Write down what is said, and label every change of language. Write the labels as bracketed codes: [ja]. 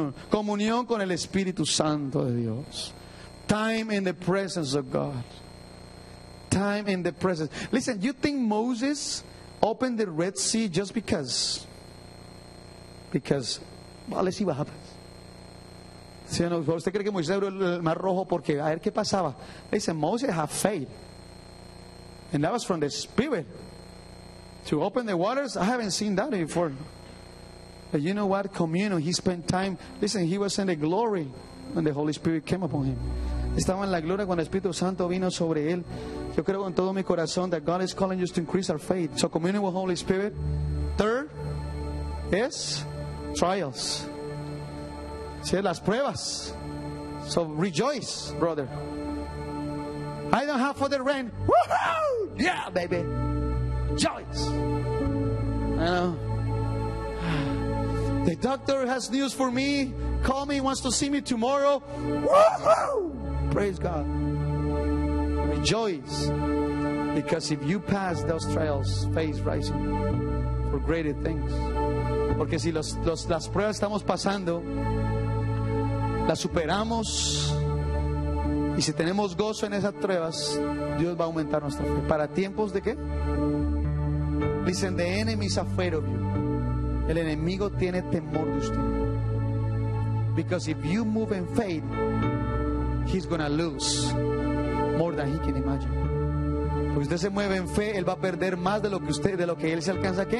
[es] Comunión con el Espíritu Santo de Dios. [en] Time in the presence of God. Time in the presence. Listen, you think Moses opened the Red Sea just because? Because, well, let's see what happens. [es] ¿Sí o no? ¿Usted cree que Moisés abrió el Mar Rojo porque a ver qué pasaba? [en] Listen, Moses had faith, and that was from the Spirit to open the waters. I haven't seen that before. But you know what? Communion. He spent time. Listen, he was in the glory when the Holy Spirit came upon him. [es] Estaba en la gloria cuando el Espíritu Santo vino sobre él. Yo creo con todo mi corazón [en] that God is calling us to increase our faith. So communion with Holy Spirit. Third is trials. [es] Sí, las pruebas. [en] So rejoice, brother. I don't have for the rain. Woohoo! Yeah, baby. Joyce. I know. The doctor has news for me. Call me, wants to see me tomorrow. Woohoo! Praise God. Rejoice, because if you pass those trials, faith rising for greater things. [es] Porque si las pruebas estamos pasando, las superamos, y si tenemos gozo en esas pruebas, Dios va a aumentar nuestra fe. ¿Para tiempos de qué? Dicen, [en] the enemy is afraid of you. [es] El enemigo tiene temor de usted. [en] Because if you move in faith, he's going to lose more than he can imagine. [es] Porque usted se mueve en fe, él va a perder más de lo que usted, de lo que él se alcanza ¿qué?